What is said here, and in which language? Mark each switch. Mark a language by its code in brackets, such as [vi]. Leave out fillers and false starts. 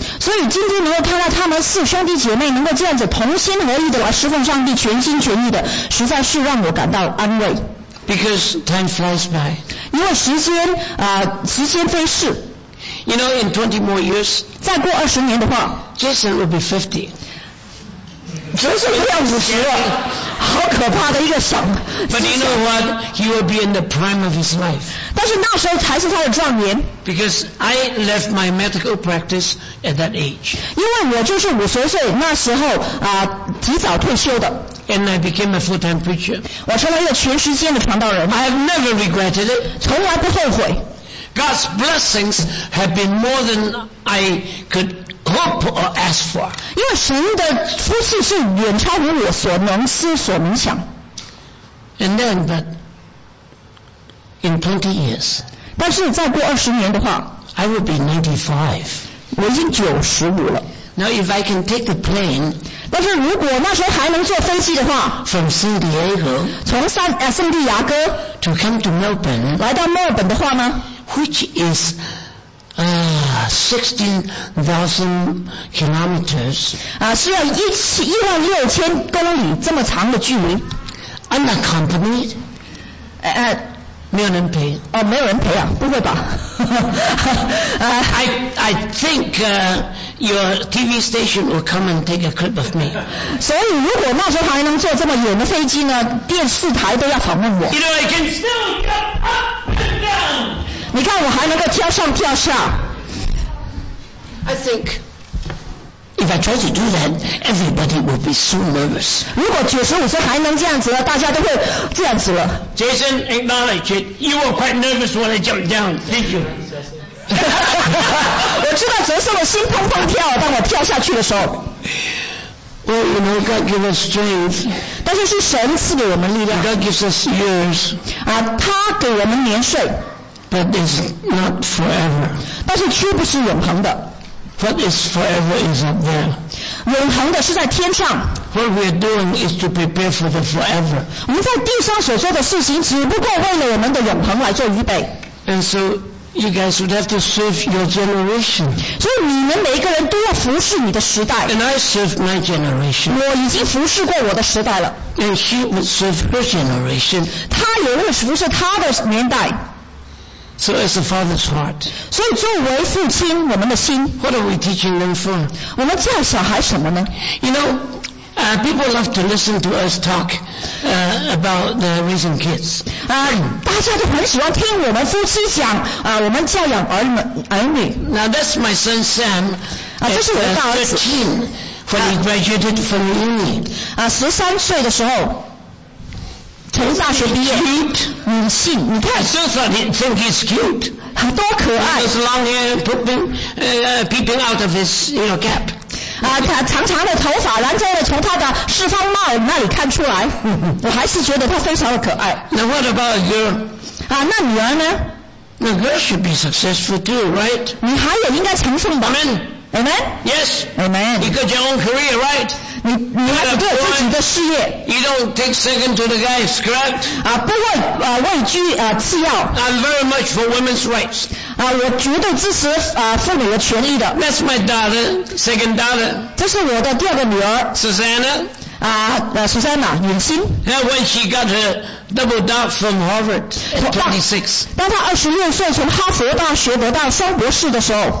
[zh] 所以今天能够看到他们四兄弟姐妹能够这样子同心合意的来侍奉上帝，全心全意的，实在是让我感到安慰。 [en] Because time flies by. [zh] 因为时间啊，时间飞逝。 [en] You know, in 20 more years. [zh] 再过二十年的话 [en] ，Jason will be 50. [zh] 真是要五十了。好可怕的一个想法。 [en] But you know what? He will be in the prime of his life. [zh] 但是那时候才是他的壮年。 [en] Because I left my medical practice at that age. [zh] 因为我就是五十岁那时候啊，提早退休的。 [en] And I became a full-time preacher. [zh] 我成了一个全时间的传道人。 [en] I have never regretted it. [zh] 从来不后悔。 [en] God's blessings have been more than I could hope or ask for. [zh] 因为神的福气是远超乎我所能思所能想。 [en] And then, but in 20 years, [zh] 但是再过二十年的话 [en] I will be 95. [zh] 我已经九十五了。 [en] Now, if I can take the plane, [zh] 但是如果那时候还能坐飞机的话 [en] from San Diego, [zh] 从圣地亚哥 [en] to come to Melbourne, [zh] 来到墨尔本的话呢 [en] which is 16,000 kilometers, [zh] 啊，是要一万六千公里这么长的距离。 [en] Unaccompanied? [zh] 没有人陪。哦，没有人陪啊，不会吧。 [en] I think, your TV station will come and take a clip of me. [zh] 所以如果那时候还能坐这么远的飞机呢，电视台都要访问我。 [en] You know, I can still jump up and down. [zh] 你看我还能够跳上跳下。 [en] I think. If I try to do that, everybody will be so nervous. 如果九十五岁还能这样子了，大家都会这样子了。 Jason, acknowledge it. You were quite nervous when I jumped down, didn't you? [zh] 我知道哲生的心砰砰跳，当我跳下去的时候。 [en] Well, you know, God gives us strength. [zh] 但是是神赐给我们力量。 [en] God gives us years. [zh] 啊，他给我们年岁。 [en] But it's not forever. [zh] 但是却不是永恒的。 [en] What is forever is up there. [zh] 永恒的是在天上。 [en] What we are doing is to prepare for the forever. [zh] 我们在地上所做的事情，只不过为了我们的永恒来做预备。 [en] And so you guys would have to serve your generation. [zh] 所以你们每一个人都要服侍你的时代。 [en] And I serve my generation. [zh] 我已经服侍过我的时代了。 [en] And she would serve her generation. [zh] 她也会服侍她的年代。 [en] So it's the father's heart. [zh] 所以作为父亲，我们的心。 [en] What are we teaching them for? [zh] 我们教小孩什么呢？ [en] You know, people love to listen to us talk about the raising kids. [zh] 大家都很喜欢听我们夫妻讲我们教养儿女。 [en] Now that's my son Sam. [zh] 这是我的大儿子。 [en] 13, when he graduated from uni. [zh] 十三岁的时候。从大学毕业，女性，你看 [en] ，I still thought he think he's cute， [zh] 很多可爱 [en] ，his long hair popping peeping out of his you know cap， [zh] 他长长的头发，然后从他的四方帽那里看出来，我还是觉得他非常的可爱。 [en] Now what about a girl？ [zh] 那女儿呢 [en] ？The girl should be successful too, right？ [zh] 女孩也应该成功吧 [en] ？Amen。 Amen. Yes. Amen. You got your own career, right? [zh] 你还是有自己的事业。 [en] You don't take second to the guys, correct? [zh] 不会畏惧次要。 [en] I'm very much for women's rights. [zh] 我绝对支持妇女的权益的。 [en] That's my daughter, second daughter. [zh] 这是我的第二个女儿。 [en] Susanna. [zh] Susanna, 女星。 [en] Now when she got her double doc from Harvard at 26. [zh] 当她二十六岁从哈佛大学得到双博士的时候。